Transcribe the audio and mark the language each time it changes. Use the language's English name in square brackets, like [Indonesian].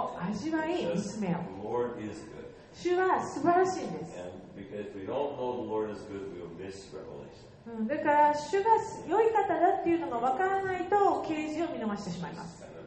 [Japanese] 主は素晴らしいんです。 [English] because we don't know the Lord is good, we'll miss revelation. [Japanese] だから主が良い方だっていうのが分からないと啓示を見逃してしまいます。